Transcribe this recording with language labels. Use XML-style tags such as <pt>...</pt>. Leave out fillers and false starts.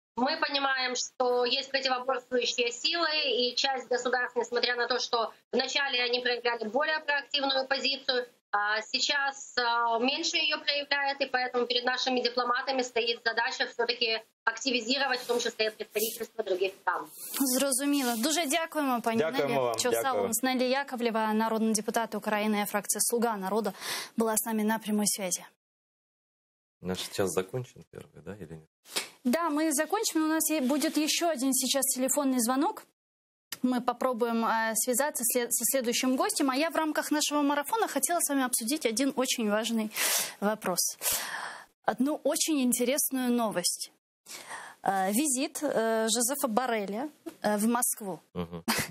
<ru>Мы понимаем, что есть противоборствующие силы, и часть государств, несмотря на то, что вначале они проявляли более проактивную позицию, сейчас меньше ее проявляет, и поэтому перед нашими дипломатами стоит задача все-таки активизировать, в том числе, представительство других стран.</ru> <uk>Зрозуміло. Дуже дякуємо, пані Нелі. Дякуємо вам. Чосалом з Нелі Яковлєва, народний депутат України, фракція «Слуга народу», була з нами на прямій зв'язі. Наш час закінчен перший, да, Єлена?</uk> <ru>Да, мы закончим, но у нас будет еще один сейчас телефонный звонок. мы попробуем связаться со следующим гостем. А я в рамках нашего марафона хотела с вами обсудить один очень важный вопрос. Одну очень интересную новость. Визит Жозефа Борреля в Москву. Угу.</ru>